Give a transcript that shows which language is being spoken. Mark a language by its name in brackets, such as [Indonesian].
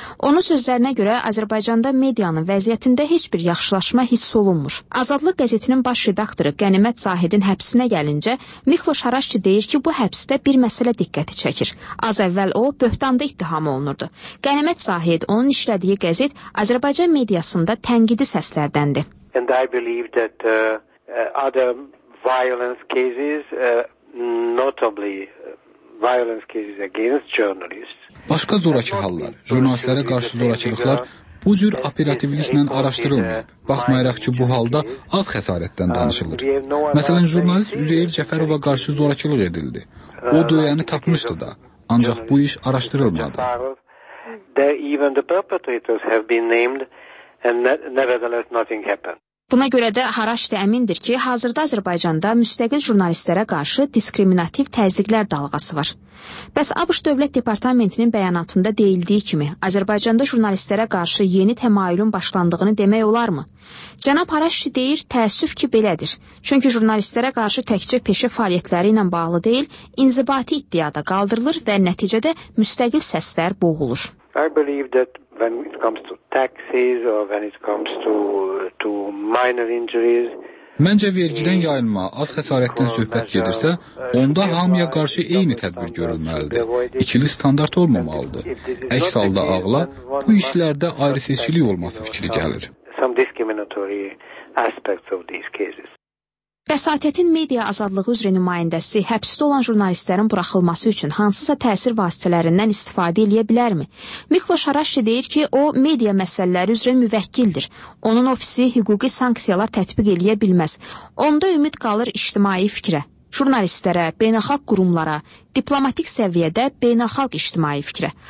[Azerbaijani] Onun sözlərinə görə Azərbaycanda medianın vəziyyətində heç bir yaxşılaşma hiss olunmur. Azadlıq qəzetinin baş redaktoru Qənimət Zahidin həbsinə gəlincə, Mikloş Haraşçı deyir ki, bu həbsdə bir məsələ diqqəti çəkir. Az əvvəl o, böhtanda ittiham olunurdu. Qənimət Zahid onun işlədiyi qəzet Azərbaycan mediasında tənqidi səslərdəndir. [English] And I believe that other violence cases, notably violence cases against journalists. [Azerbaijani] Başqa zorakı hallar, jurnalistlərə qarşı zorakılıqlar bu cür operativliklə araşdırılmayıb, baxmayaraq ki, bu halda az xəsarətdən danışılır. Məsələn, jurnalist Üzeyir Cəfərova qarşı zorakılıq edildi. O döyəni tapmışdı da, ancaq bu iş araşdırılmadı. [English] Even the perpetrators have been named and nevertheless nothing happened. [Azerbaijani] Buna görə də Haraş da əmindir ki, hazırda Azərbaycanda müstəqil jurnalistlərə qarşı diskriminativ təzyiqlər dalğası var. Bəs ABŞ Dövlət Departamentinin bəyanatında deyildiyi kimi, Azərbaycanda jurnalistlərə qarşı yeni təmayülün başlandığını demək olarmı? Cənab Haraşçı deyir, təəssüf ki, belədir. Çünki jurnalistlərə qarşı təkcə peşə fəaliyyətləri ilə bağlı deyil, inzibati iddiada qaldırılır və nəticədə müstəqil səslər boğulur. [English] I believe that when it comes to taxes or when it comes to minor injuries. [Azerbaijani] Məncə vergidən yayılma, az xəsarətdən söhbət gedirsə, onda hamıya qarşı eyni tədbir görülməlidir. İkili standart olmamalıdır. Əks halda ağla bu işlərdə ayrı seçkilik olması fikri gəlir. [English] Some discriminatory aspects of these cases. [Azerbaijani] Bəsatətin media azadlığı üzrə nümayəndəsi həbsdə olan jurnalistlərin buraxılması üçün hansısa təsir vasitələrindən istifadə eləyə bilərmi? Mikloş Haraşçı deyir ki, o, media məsələləri üzrə müvəkkildir. Onun ofisi hüquqi sanksiyalar tətbiq eləyə bilməz. Onda ümid qalır ictimai fikrə, jurnalistlərə, beynəlxalq qurumlara, diplomatik səviyyədə beynəlxalq ictimai fikrə.